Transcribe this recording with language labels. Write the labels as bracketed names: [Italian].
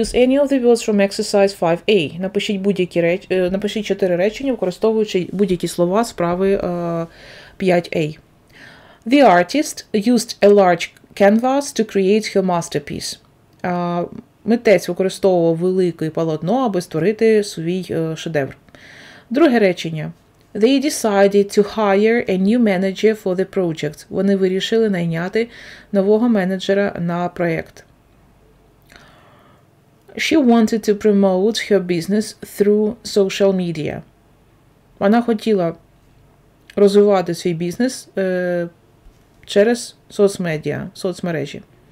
[English] Use any of the words from exercise 5A. [Ukrainian] Напишіть будь-які речі, напишіть чотири речення, використовуючи будь-які слова з правої 5A. [English] The artist used a large canvas to create her masterpiece. [Ukrainian] Митець використовував велике полотно, аби створити свій шедевр. Друге речення. [English] They decided to hire a new manager for the project. [Ukrainian] Вони вирішили найняти нового менеджера на проєкт. [English] She wanted to promote her business through social media. [Ukrainian] Вона хотіла розвивати свій бізнес через соцмедіа, соцмережі.